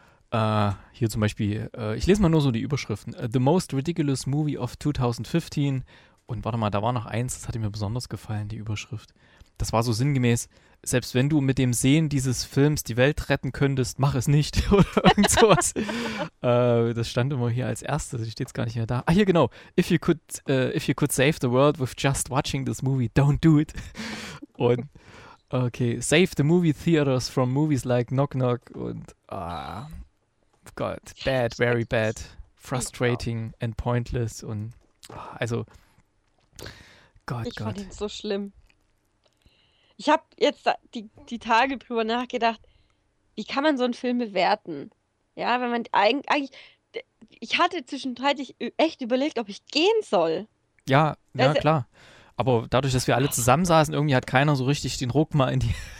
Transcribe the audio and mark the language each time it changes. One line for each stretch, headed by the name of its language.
German: Hier zum Beispiel, ich lese mal nur so die Überschriften.
English: The Most Ridiculous Movie of 2015.
German: Und warte mal, da war noch eins, das hatte mir besonders gefallen, die Überschrift. Das war so sinngemäß, selbst wenn du mit dem Sehen dieses Films die Welt retten könntest, mach es nicht. Oder irgend sowas. Das stand immer hier als erstes, ich stehe jetzt gar nicht mehr da. Ah, hier genau.
English: If you could save the world with just watching this movie, don't do it.
German: Und
English: okay, save the movie theaters from movies like Knock Knock
German: und ah, Gott,
English: bad, very bad,
German: Schrecklich. Furchtbar.
English: frustrating and pointless
German: und also Ich fand Gott. ihn so schlimm. Ich habe jetzt die Tage drüber nachgedacht, wie kann man so einen Film bewerten? Ja, wenn man eigentlich. Ich hatte zwischenzeitlich echt überlegt, ob ich gehen soll. Ja, Also. klar. Aber dadurch, dass wir alle zusammensaßen, irgendwie hat keiner so richtig den Ruck mal in die.